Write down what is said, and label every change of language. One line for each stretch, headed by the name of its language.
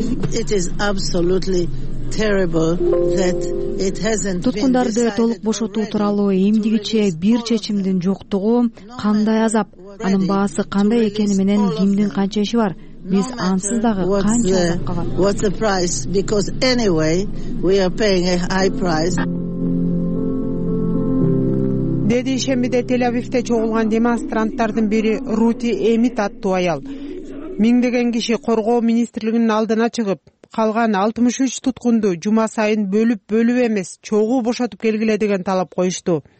English: It is absolutely terrible that it hasn't
Kyrgyz: туткундарды толук бошотуу тууралуу эмдигиче бир чечимдин жоктугу кандай азап, анын баасы кандай экени менен кимдин канча иши бар? Биз ансыз дагы канча азапка.
English: What's the price? Because anyway, we are paying a high price.
Kyrgyz: Деди ишембиде Тель-Авивде чогулган демонстранттардын бири Рути Эмит аттуу аял. Миңдеген киши коргоо министрлигинин алдына чыгып, калган 63 туткунду жума сайын бөлүп-бөлүп эмес, чогуу бошотуп келгиле деген талап коюшту.